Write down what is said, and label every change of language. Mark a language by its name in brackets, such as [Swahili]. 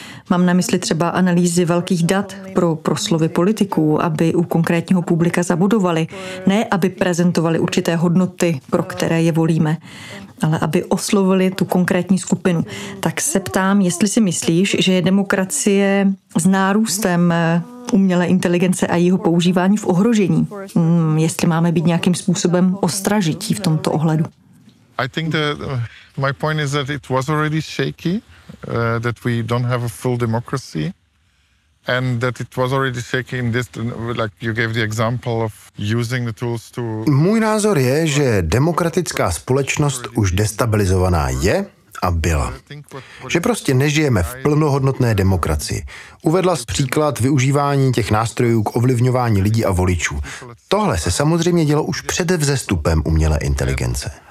[Czech] Mám na mysli třeba analýzy velkých dat pro proslovy politiků, aby u konkrétního publika zabudovali, ne aby prezentovali určité hodnoty, pro které je volíme, ale aby oslovili tu konkrétní skupinu. Tak se ptám, jestli si myslíš, že je demokracie s nárůstem umělé inteligence a jeho používání v ohrožení, jestli máme být nějakým způsobem ostražití v tomto ohledu. [English] I think that my point is that it was already shaky, that we don't have a full democracy, and that it was already shaky in this, like you gave the example of using the tools to. [Czech] Můj názor je, že demokratická společnost už destabilizovaná je a byla. Že prostě nežijeme v plnohodnotné demokracii. Uvedla jsi příklad využívání těch nástrojů k ovlivňování lidí a voličů. Tohle se samozřejmě dělo už před vzestupem umělé inteligence.